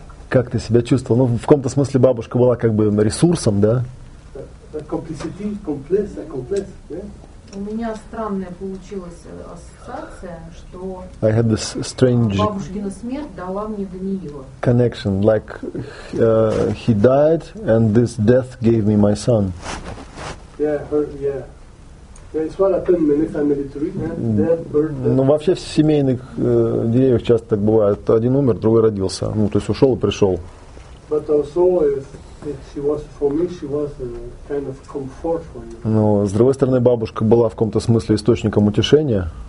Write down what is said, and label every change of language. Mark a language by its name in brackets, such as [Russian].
[Russian] Как ты себя чувствовал? Ну, в каком-то смысле бабушка была как бы ресурсом, да? У меня странная получилась ассоциация, что [English] I had this strange [Russian] бабушкина смерть дала мне Даниила. [English] Connection, like he died and this death gave me my son. Yeah, her, yeah. [Russian] Ну, вообще в семейных деревьях часто так бывает. Один умер, другой родился. Ну, то есть ушел и пришел. Но, с другой стороны, бабушка была в каком-то смысле источником утешения.